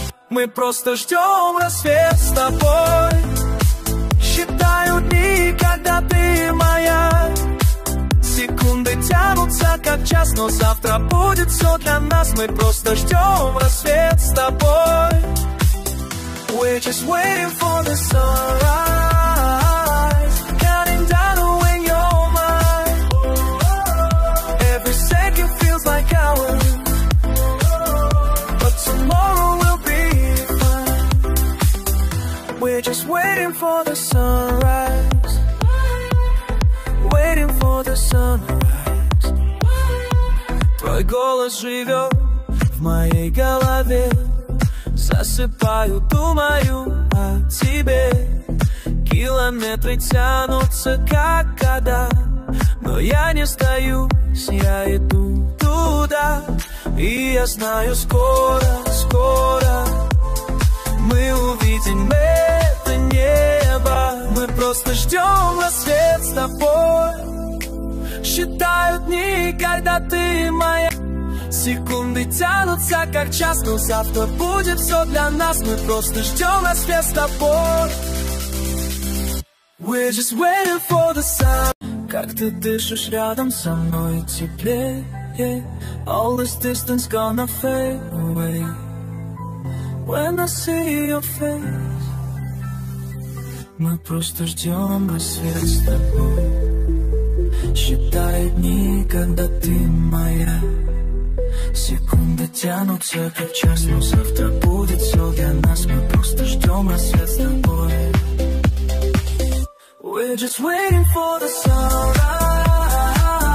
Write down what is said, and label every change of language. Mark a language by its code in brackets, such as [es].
[ru] Мы просто ждем рассвет с тобой. Считаю дни, когда ты моя. Секунды тянутся, как час, но завтра будет все для нас. Мы просто ждем рассвет с тобой. [en] We're just waiting for the sunrise, counting down when you're mine. Every second feels like hours, but tomorrow will be fine. We're just waiting for the sunrise, waiting for the sunrise. [ru] Твой голос живет в моей голове. Засыпаю, думаю о тебе. Километры тянутся, как года, но я не сдаюсь, я иду туда. И я знаю, скоро, скоро мы увидим это небо. Мы просто ждем рассвет с тобой. Считаю дни, когда ты моя. Секунды тянутся, как час, но завтра будет все для нас. Мы просто ждем рассвет с тобой. [en] We're just waiting for the sun. [ru] Как ты дышишь рядом со мной теплее. [en] All this distance gonna fade away when I see your face. [ru] Мы просто ждем рассвет с тобой. Считай дни, когда ты моя. Секунды тянутся, как час, но завтра будет все для нас. Мы просто ждем рассвет с тобой. [en] We're just waiting for the sunrise.